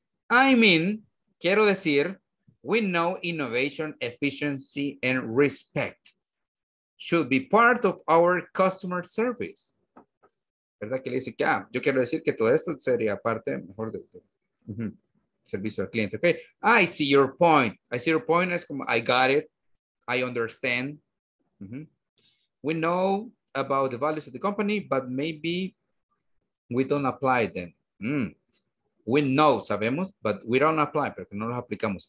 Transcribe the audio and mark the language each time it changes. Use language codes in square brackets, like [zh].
[en] I mean, [es] quiero decir, [en] we know innovation, efficiency, and respect should be part of our customer service. [es] ¿Verdad? Que le dice, ya, yo quiero decir que todo esto sería parte mejor de servicio al cliente. [en] Okay. I see your point. I see your point. [es] Es como, [en] I got it. I understand. Mm-hmm. We know about the values of the company, but maybe we don't apply them. Mm. We know, [es] sabemos, [en] but we don't apply, [es] pero no los aplicamos.